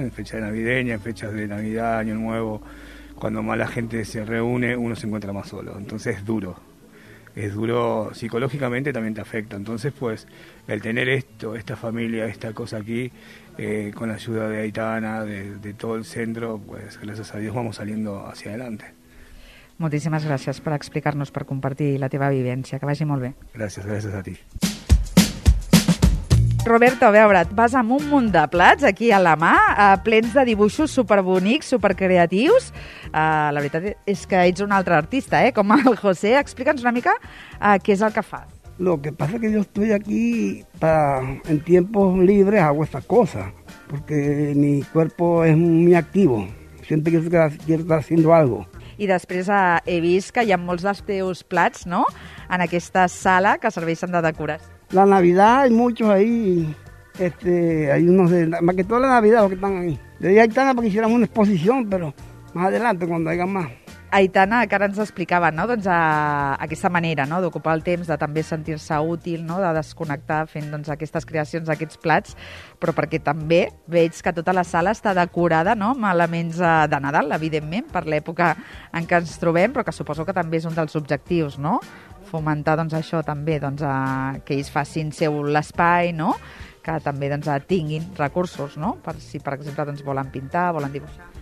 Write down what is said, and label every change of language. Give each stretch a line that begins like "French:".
Spanish: En fechas navideñas, en fechas de Navidad, Año Nuevo, cuando más la gente se reúne, uno se encuentra más solo. Entonces es duro psicológicamente, también te afecta. Entonces, pues, el tener esto, esta familia, esta cosa aquí, con la ayuda de Aitana, de todo el centro, pues, gracias a Dios, vamos saliendo hacia adelante.
Catalan: Moltíssimes gràcies per explicar-nos, per compartir la teva vivència. Que vagi molt bé. Gràcies, gràcies
Spanish: a ti.
Catalan: Roberto, a veure, vas amb un munt de plats aquí a la mà, plens de dibuixos superbonics, supercreatius. La veritat és que ets un altre artista, eh? Com el José. Explica'ns una mica què és el que fas.
Spanish: Lo que pasa es que yo estoy aquí para, en tiempos libres hago estas cosas, porque mi cuerpo es muy activo. Siempre quiero estar haciendo algo.
Catalan: I després he vist que hi ha molts dels teus plats, no?, en aquesta sala que serveixen de decoració.
Spanish: La Navidad hay muchos ahí, hay unos de, más que toda la Navidad los que están ahí. De ahí Aitana para que hiciéramos una exposición, pero más adelante cuando haya más.
Catalan: Aitana, que ara ens explicava, no?, doncs, aquesta manera, no?, d'ocupar el temps, de també sentir-se útil, no?, de desconnectar fent, doncs, aquestes creacions, aquests plats, però perquè també veig que tota la sala està decorada, no?, amb elements de Nadal, evidentment, per l'època en què ens trobem, però que suposo que també és un dels objectius, no?, fomentar, doncs, això també, doncs, que ells facin seu l'espai, no?, que també, doncs, tinguin recursos, no?, per si, per exemple, doncs, volen pintar, volen dibuixar.